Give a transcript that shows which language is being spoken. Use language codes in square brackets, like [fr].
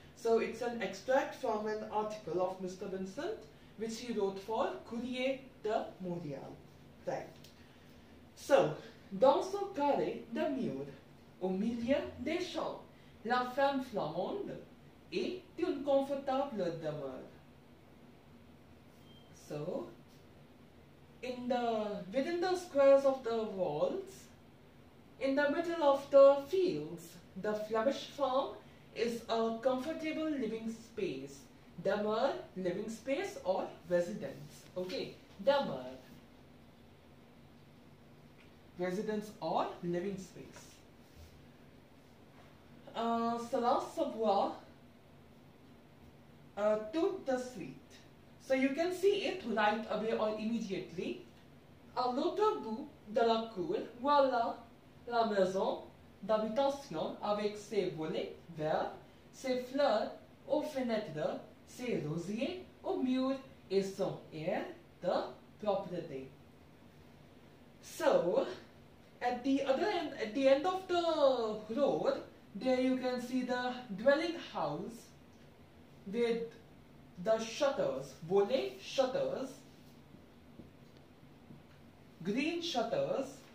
[en] So it's an extract from an article of Mr. Vincent which he wrote for Courrier de Montréal. Right. [fr] So, dans son carré de mur, au milieu des champs, la ferme flamande est une confortable demeure. [en] So, within the squares of the walls, in the middle of the fields, the Flemish farm is a comfortable living space. Demeure, living space or residence. Okay, demeure. Residence or living space. [fr] Cela se voit toute de suite. [en] So you can see it right away or immediately. [fr] À l'autre bout de la cour, voilà la maison d'habitation avec ses volets verts, ses fleurs aux fenêtres, ses rosiers aux murs et son air de propreté. [en] So, at the end of the road, there you can see the dwelling house with the shutters, volet shutters, green shutters.